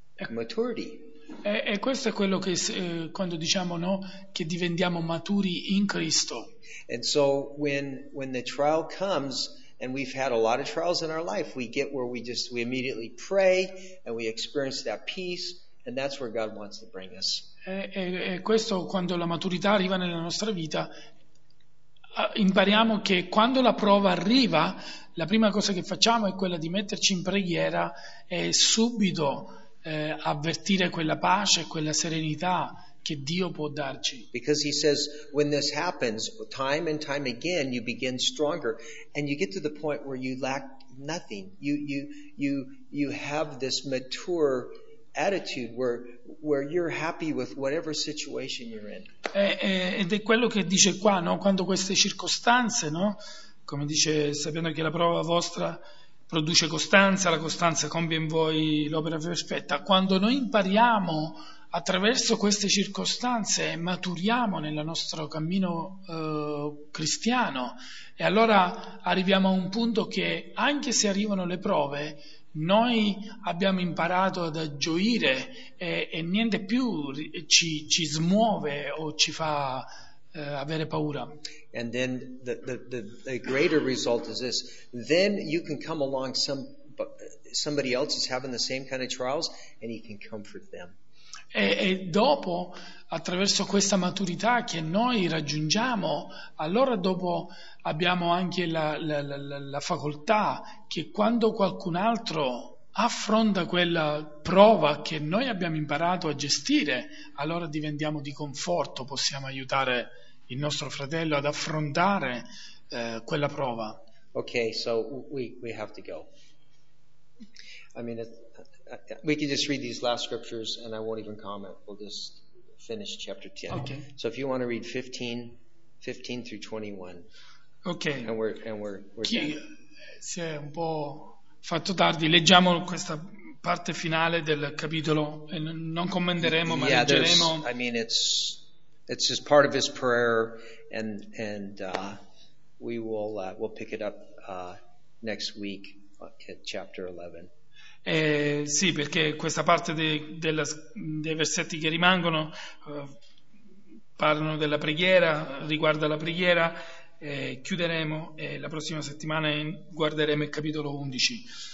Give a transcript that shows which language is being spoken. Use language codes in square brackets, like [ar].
[en] Maturity. [it] E questo è quello che quando diciamo no, che diventiamo maturi in Cristo. [en] And so when the trial comes, and we've had a lot of trials in our life, we get where we immediately pray and we experience that peace, and that's where God wants to bring us. [it] E questo quando la maturità arriva nella nostra vita, impariamo che quando la prova arriva, la prima cosa che facciamo è quella di metterci in preghiera e subito avvertire quella pace, quella serenità che Dio può darci. [en] Because he says when this happens time and time again you begin stronger and you get to the point where you lack nothing. You have this mature attitude where you're happy with whatever situation you're in. [it] Ed è quello che dice qua, no? Quando queste circostanze, no? Come dice, sapendo che la prova vostra produce costanza, la costanza compie in voi l'opera perfetta. Quando noi impariamo attraverso queste circostanze e maturiamo nel nostro cammino cristiano, e allora arriviamo a un punto che anche se arrivano le prove, noi abbiamo imparato ad gioire e niente più ci smuove o ci fa avere paura. [en] And then the greater result is this. Then you can come along somebody else is having the same kind of trials and you can comfort them. [it] E dopo, attraverso questa maturità che noi raggiungiamo, allora dopo abbiamo anche la facoltà che quando qualcun altro affronta quella prova che noi abbiamo imparato a gestire, allora diventiamo di conforto, possiamo aiutare il nostro fratello ad affrontare quella prova. [en] Okay, so we have to go. I mean, we can just read these last scriptures and I won't even comment. We'll just finish chapter 10. Okay. So if you want to read 15 through 21. Okay. And we're [it] chi si è un po' fatto tardi, leggiamo questa parte finale del capitolo e non commenteremo, ma yeah, leggeremo. [en] I mean, it's just part of his prayer and we'll pick it up next week at chapter 11. [it] Sì, perché questa parte dei versetti che rimangono parlano della preghiera, riguarda la preghiera, chiuderemo e la prossima settimana guarderemo il capitolo 11.